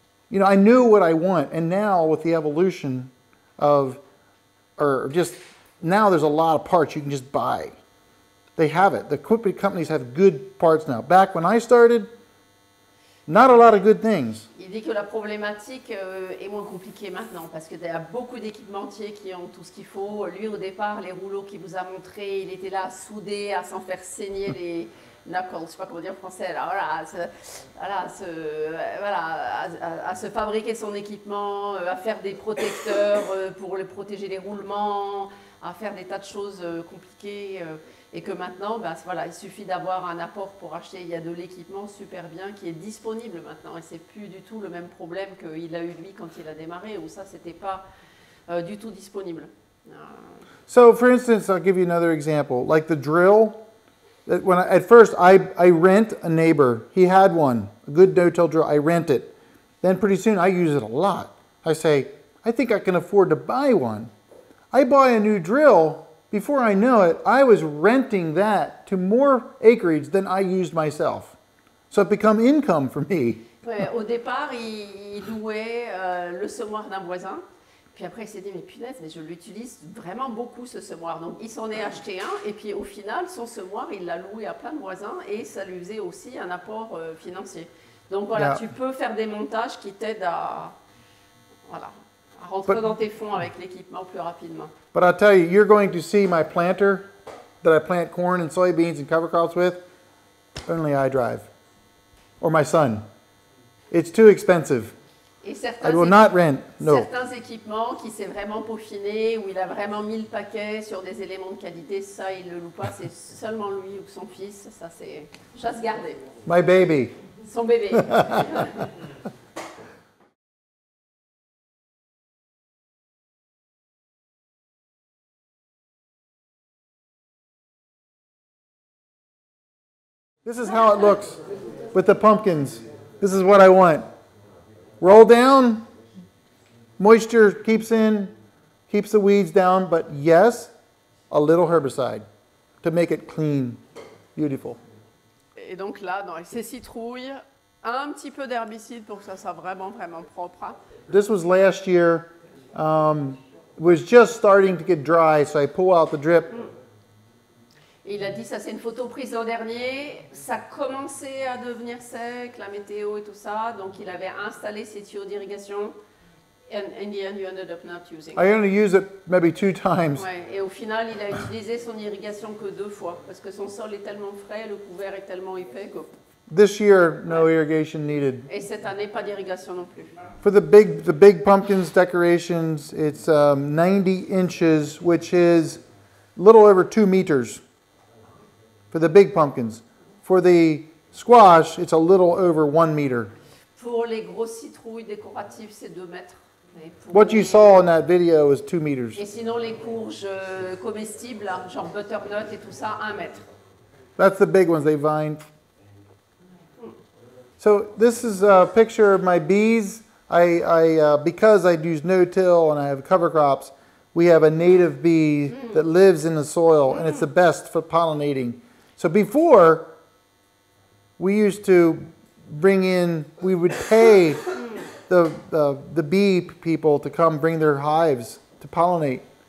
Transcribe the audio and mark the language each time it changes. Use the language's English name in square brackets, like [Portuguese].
[English] You know, I knew what I want. And now with the evolution of, or just, now there's a lot of parts you can just buy. They have it. The equipment companies have good parts now. Back when I started, not a lot of good things. [French] Il dit que la problématique est moins compliquée maintenant parce qu'il y a beaucoup d'équipementiers qui ont tout ce qu'il faut. Lui, au départ, les rouleaux qu'il vous a montré, il était là à souder, à s'en faire saigner les knuckles, je ne sais pas comment dire en français, là, voilà, à se fabriquer son équipement, à faire des protecteurs pour le protéger les roulements, à faire des tas de choses compliquées. Et que maintenant, ben, voilà, il suffit d'avoir un apport pour acheter. Il y a de l'équipement super bien qui est disponible maintenant. Et ce n'est plus du tout le même problème qu'il a eu lui quand il a démarré, où ça, ce n'était pas du tout disponible. [English] So, for instance, I'll give you another example. Like the drill. At first, I rent a neighbor. He had one, a good no-till drill. I rent it. Then pretty soon, I use it a lot. I say, I think I can afford to buy one. I buy a new drill. Before I know it, I was renting that to more acreage than I used myself. So it became income for me. [French] Ouais, au départ, il louait le semoir d'un voisin. Puis après, il s'est dit, mais punaise, mais je l'utilise vraiment beaucoup, ce semoir. Donc, il s'en est acheté un. Et puis au final, son semoir, il l'a loué à plein de voisins. Et ça lui faisait aussi un apport financier. Donc voilà, yeah. Tu peux faire des montages qui t'aident à... Voilà. Rentre dans tes fonds avec l'équipement plus rapidement. [English] But I'll tell you, you're going to see my planter that I plant corn and soybeans and cover crops with, only I drive. Or my son. It's too expensive. I will not rent, no. [French] Certains équipements qui s'est vraiment peaufiné, où il a vraiment mis le paquet sur des éléments de qualité, ça, il ne le loue pas, c'est seulement lui ou son fils. Ça, c'est chasse gardée. [English] My baby. [French] Son bébé. [English] This is how it looks with the pumpkins. This is what I want. Roll down, moisture keeps in, keeps the weeds down, but yes, a little herbicide to make it clean, beautiful. [French] Et donc là, dans ces citrouilles, un petit peu d'herbicide pour que ça soit vraiment, vraiment propre. [English] This was last year. Was just starting to get dry, so I pull out the drip. [French] Il a dit ça, c'est une photo prise l'an dernier. Ça commençait à devenir sec, la météo et tout ça. Donc il avait installé ses tuyaux d'irrigation. [English] And in the end, you ended up not using it. I only used it maybe two times. [French] Ouais, et au final, il a utilisé son irrigation que deux fois parce que son sol est tellement frais, le couvert est tellement épais que. [English] This year, no irrigation needed. [French] Et cette année, pas d'irrigation non plus. [English] For the big pumpkins decorations, it's 90 inches, which is a little over 2 meters for the big pumpkins. For the squash, it's a little over 1 meter. [French] Pour les grosses citrouilles décoratives, c'est 2 mètres. [English] What you saw in that video is 2 meters. [French] Et sinon, les courges comestibles, genre butternut et tout ça, 1 mètre. [English] That's the big ones, they vine. So this is a picture of my bees. Because I use no-till and I have cover crops, we have a native bee that lives in the soil, and it's the best for pollinating. So before, we used to bring in, we would pay the bee people to come bring their hives to pollinate.